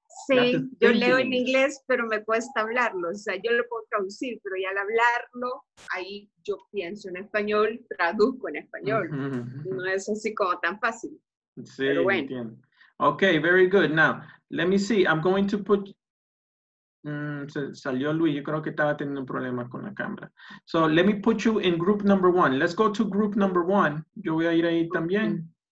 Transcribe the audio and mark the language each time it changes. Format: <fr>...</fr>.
<es>Sí, yo leo en inglés, pero me cuesta hablarlo. O sea, yo lo puedo traducir, pero ya al hablarlo, ahí yo pienso en español, traduzco en español. Mm-hmm. No es así como tan fácil. Sí, pero bueno. Entiendo.</es> <en>Okay, very good. Now, let me see. I'm going to put...</en> <es>salió Luis. Yo creo que estaba teniendo un problema con la cámara.</es> <en>So, let me put you in group number one. Let's go to group number one.</en> <es>Yo voy a ir ahí también.</es>